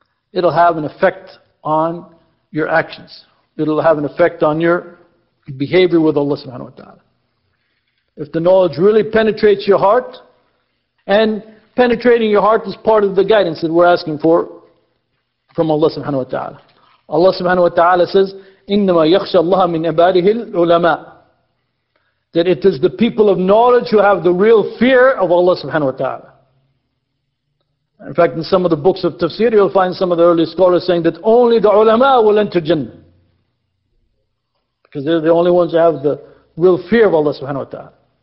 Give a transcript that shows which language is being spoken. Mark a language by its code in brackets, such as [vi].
[en] It'll have an effect on your actions. It'll have an effect on your behavior with Allah subhanahu wa ta'ala. If the knowledge really penetrates your heart, and penetrating your heart is part of the guidance that we're asking for from Allah subhanahu wa ta'ala. Allah subhanahu wa ta'ala says, [ar] إِنَّمَا يَخْشَى اللَّهَ مِنْ عَبَادِهِ الْعُلَمَاءِ. [en] That it is the people of knowledge who have the real fear of Allah subhanahu wa ta'ala. In fact, in some of the books of tafsir, you'll find some of the early scholars saying that only the ulama will enter Jannah. Because they're the only ones who have the real fear of Allah subhanahu wa ta'ala.